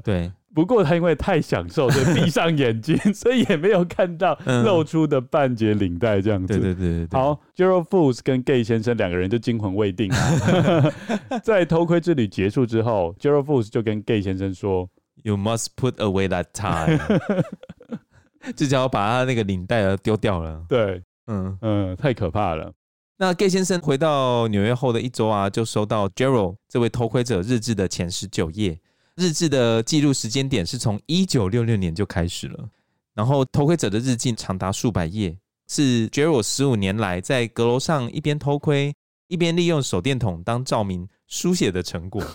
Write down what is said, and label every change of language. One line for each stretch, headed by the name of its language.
Chinese: 对，不过他因为太享受所以闭上眼睛，所以也没有看到露出的半截领带这样子，嗯，对对对对对。好， Gerald Foos 跟 Gay 先生两个人就惊魂未定。在偷窥之旅结束之后， Gerald Foos 就跟 Gay 先生说
English: You must put away that tie。
Chinese: 就只要把他那个领带丢掉了，对，嗯嗯，太可怕了。那 Gay 先生回到纽约后的一周啊，就收到 Gerald 这位偷窥者日志的前19页，日志的记录时间点是从1966年就开始了，然后偷窥者的日记长达数百页，是 Gerald 15年来在阁楼上一边偷窥一边利用手电筒当照明书写的成果。